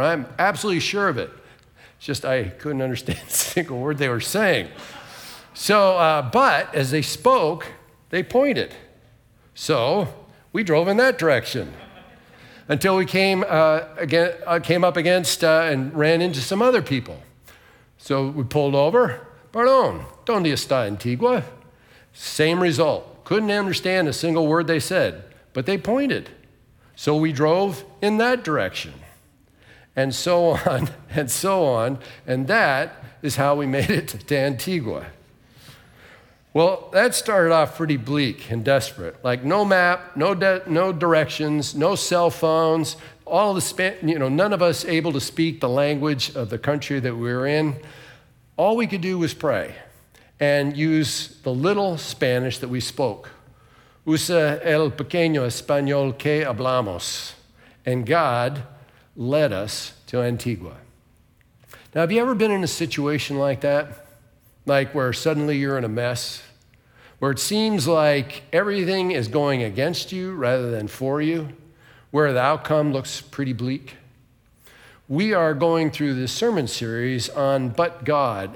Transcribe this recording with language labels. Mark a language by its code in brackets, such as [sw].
[en] I'm absolutely sure of it. Just I couldn't understand a single word they were saying. So, but as they spoke, they pointed. So we drove in that direction until we came up against and ran into some other people. So we pulled over. [es] "Pardon, ¿dónde está Antigua?" [en] Same result. Couldn't understand a single word they said, but they pointed. So we drove in that direction. And so on, and so on, and that is how we made it to Antigua. Well, that started off pretty bleak and desperate. Like no map, no directions, no cell phones, none of us able to speak the language of the country that we were in. All we could do was pray and use the little Spanish that we spoke. [es] Usa el pequeño español que hablamos. [en] And God led us to Antigua. Now, have you ever been in a situation like that? Like where suddenly you're in a mess? Where it seems like everything is going against you rather than for you? Where the outcome looks pretty bleak? We are going through this sermon series on But God.